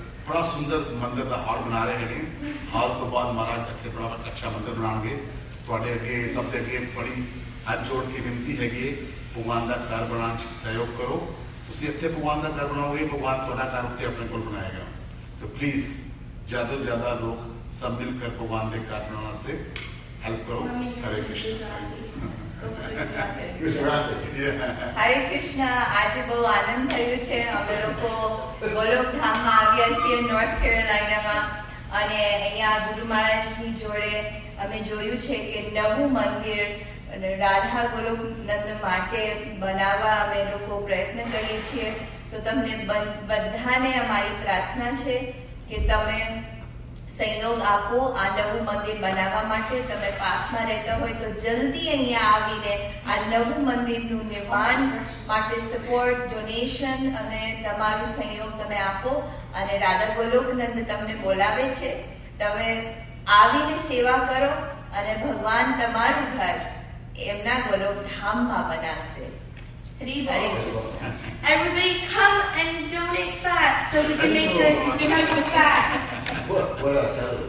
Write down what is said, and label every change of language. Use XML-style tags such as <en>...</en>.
<hi>बड़ा सुंदर मंदिर का हॉल बना रहे हैं हॉल तो बाद महाराज इतने बड़ा अच्छा मंदिर बनाएंगे थोड़े अगे सब अगे बड़ी हाथ जोड़ के विनती हैगी भगवान का घर बना सहयोग करो तुम इतने भगवान का घर बनाओगे भगवान थोड़ा घर उत्ते अपने को बनाएगा तो प्लीज ज्यादा से ज्यादा लोग सब मिलकर भगवान के घर बनाने से हेल्प करो हरे कृष्ण</hi> <gu>હરે કૃષ્ણ આજે બહુ આનંદ થયો છે અમે લોકો ગોલોક ધામમાં આવ્યા છીએ નોર્થ કેરોલાઇનામાં અને અહીંયા ગુરુ મહારાજની જોડે અમે જોયું છે કે નવું મંદિર રાધા ગોલોક નંદ માટે બનાવવા અમે લોકો પ્રયત્ન કરીએ છીએ તો તમને બધાને અમારી પ્રાર્થના છે કે તમે સહયોગ આપો આ નવું મંદિર બનાવવા માટે તમે પાસમાં રહેતા હોય તો જલ્દી અહીંયા આવીને આ નવું મંદિરનું નિર્માણ માટે સપોર્ટ ડોનેશન અને તમારો સહયોગ તમે આપો અને રાધા ગોલોકનંદ તમને બોલાવે છે તમે આવીને સેવા કરો અને ભગવાન તમારું ઘર એમના ગોલોક ધામમાં બનાવશે</gu> <en>Everybody come and donate fast so we can make the temple fast.</en>